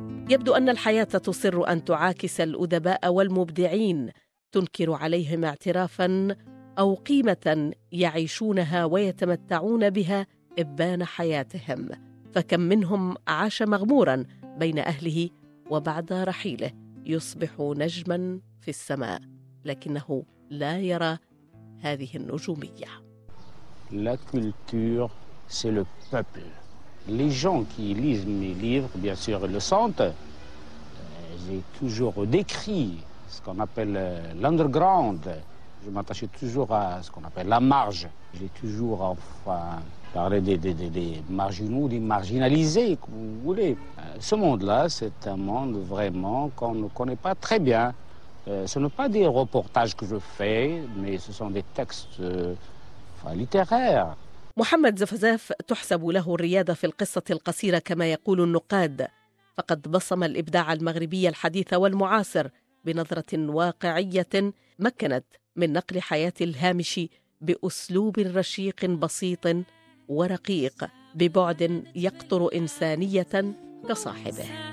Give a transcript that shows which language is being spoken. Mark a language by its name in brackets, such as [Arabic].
[Arabic] يبدو أن الحياة تصر أن تعاكس الأدباء والمبدعين، تنكر عليهم اعترافاً أو قيمة يعيشونها ويتمتعون بها إبان حياتهم. فكم منهم عاش مغموراً بين أهله وبعد رحيله يصبح نجماً في السماء، لكنه لا يرى هذه النجومية. [French] La culture, c'est le peuple. Les gens qui lisent mes livres, bien sûr, le sentent. J'ai toujours décrit ce qu'on appelle l'underground. Je m'attachais toujours à ce qu'on appelle la marge. J'ai toujours enfin parlé des marginaux, des marginalisés, comme vous voulez. Ce monde-là, c'est un monde vraiment qu'on ne connaît pas très bien. Ce ne sont pas des reportages que je fais, mais ce sont des textes littéraires. [Arabic] محمد زفزاف تحسب له الريادة في القصة القصيرة كما يقول النقاد، فقد بصم الإبداع المغربي الحديث والمعاصر بنظرة واقعية مكنت من نقل حياة الهامشي بأسلوب رشيق بسيط ورقيق ببعد يقطر إنسانية كصاحبه.